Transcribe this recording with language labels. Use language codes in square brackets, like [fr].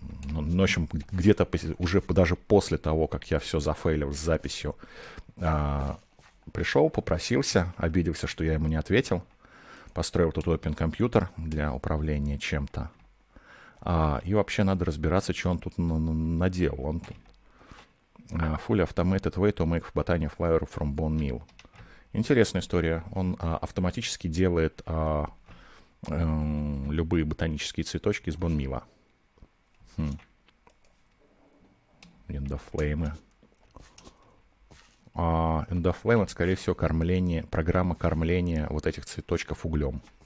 [ru] Ночью где-то уже даже после того, как я все зафейлил с записью, пришел, попросился, обиделся, что я ему не ответил. Построил тут опен-компьютер для управления чем-то. И вообще надо разбираться, что он тут наделал. Он тут. [en] Fully automated way to make botania flower from bone meal. [ru] Интересная история. Он автоматически делает любые ботанические цветочки из bone meal. Эндофлеймы. Эндофлейм — это, скорее всего, кормление, программа кормления вот этих цветочков углем.